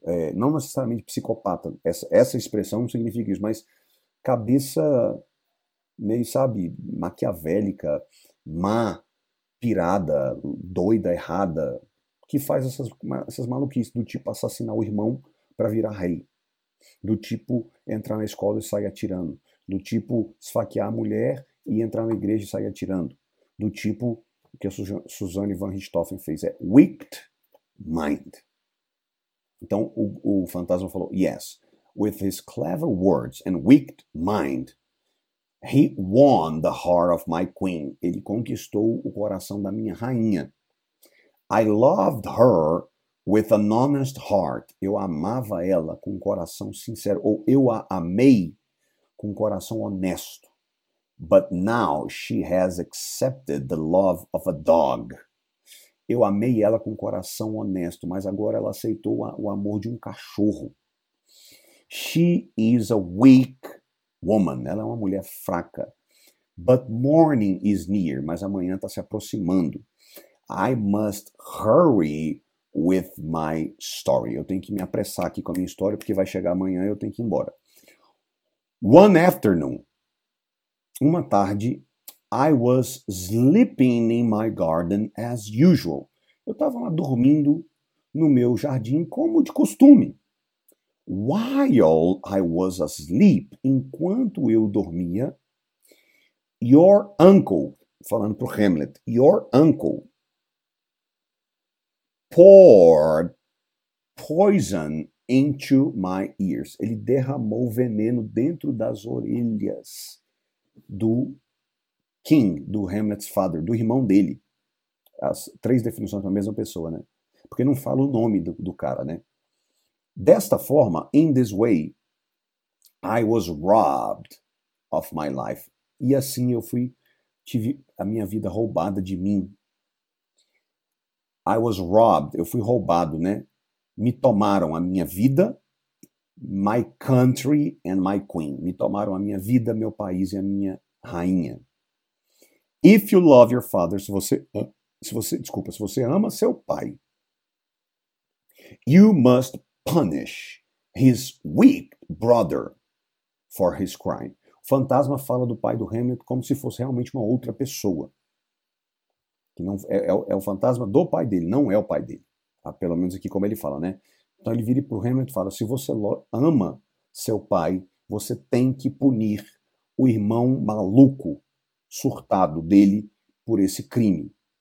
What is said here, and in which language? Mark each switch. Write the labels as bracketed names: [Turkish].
[Portuguese] É, não necessariamente psicopata. Essa expressão não significa isso, mas cabeça meio, sabe, maquiavélica, má, pirada, doida, errada, que faz essas maluquices, do tipo assassinar o irmão para virar rei, do tipo entrar na escola e sair atirando, do tipo esfaquear a mulher e entrar na igreja e sair atirando, do tipo que a Suzanne Van Richthofen fez, é [English] wicked mind. [Portuguese] Então o fantasma falou: [English] Yes, with his clever words and wicked mind, he won the heart of my queen. [Portuguese] Ele conquistou o coração da minha rainha. [English] I loved her with an honest heart. [Portuguese] Eu amava ela com um coração sincero. Ou eu a amei com um coração honesto. [English] But now she has accepted the love of a dog. [Portuguese] Eu amei ela com um coração honesto, mas agora ela aceitou o amor de um cachorro. [English] She is a weak woman. [Portuguese] Ela é uma mulher fraca. [English] But morning is near. [Portuguese] Mas amanhã está se aproximando. [English] I must hurry with my story. [Portuguese] Eu tenho que me apressar aqui com a minha história, porque vai chegar amanhã e eu tenho que ir embora. [English] One afternoon, [Portuguese] uma tarde, [English] I was sleeping in my garden as usual. [Portuguese] Eu estava lá dormindo no meu jardim, como de costume. [English] While I was asleep, [Portuguese] enquanto eu dormia, [English] your uncle, [Portuguese] falando para o Hamlet, [English] your uncle poured poison into my ears. [Portuguese] Ele derramou veneno dentro das orelhas do King, do [English] Hamlet's father, [Portuguese] do irmão dele. As três definições da mesma pessoa, né? Porque não fala o nome do cara, né? Desta forma, [English] in this way, I was robbed of my life. [Portuguese] E assim eu fui, tive a minha vida roubada de mim. [English] I was robbed, [Portuguese] eu fui roubado, né? Me tomaram a minha vida, [English] my country and my queen. [Portuguese] Me tomaram a minha vida, meu país e a minha rainha. [English] If you love your father, [Portuguese] se você ama seu pai, [English] you must punish his weak brother for his crime. [Portuguese] O fantasma fala do pai do Hamlet como se fosse realmente uma outra pessoa. Que não, é o fantasma do pai dele, não é o pai dele. Ah, pelo menos aqui como ele fala, né? Então ele vira para o Hamlet e fala, se você ama seu pai, você tem que punir o irmão maluco surtado dele por esse crime.